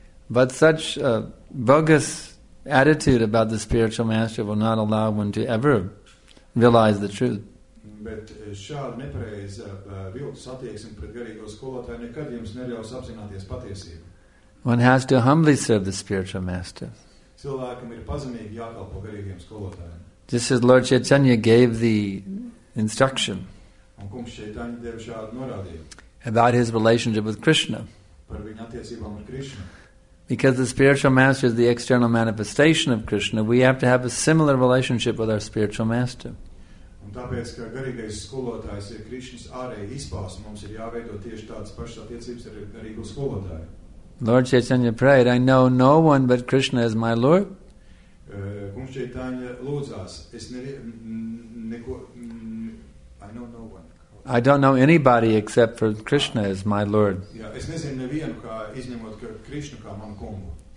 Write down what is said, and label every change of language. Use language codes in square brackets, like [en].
[en] But such a bogus attitude about the spiritual master will not allow one to ever realize the truth. [lv] Bet šāda nepareiza viltus attieksme pret garīgo skolotāju nekad jums neļaus apzināties patiesību. [en] One has to humbly serve the spiritual master. [lv] Cilvēkam ir pazemīgi jākalpo garīgiem skolotājiem. [en] Just as Lord Chaitanya gave the instruction. [lv] Un kungs Chaitanya deva šādu norādījumu. [en] About his relationship with Krishna. [lv] Par viņa attiecībām ar Krishna. [en] Because the spiritual master is the external manifestation of Krishna, we have to have a similar relationship with our spiritual master. [lv] Un tāpēc, ka garīgais skolotājs ir Krishnas ārēja izpausme, mums ir jāveido tieši tādas pašas attiecības ar garīgo skolotāju. [en] Lord Chaitanya prayed, I know no one but Krishna as my Lord. [lv] Kungs Chaitanya lūdzās, es neko, [en] I know no one. I don't know anybody except for Krishna as my Lord. [lv] Yeah, es nezinu nevienu, kā izņemot Krishnu kā manu kungu.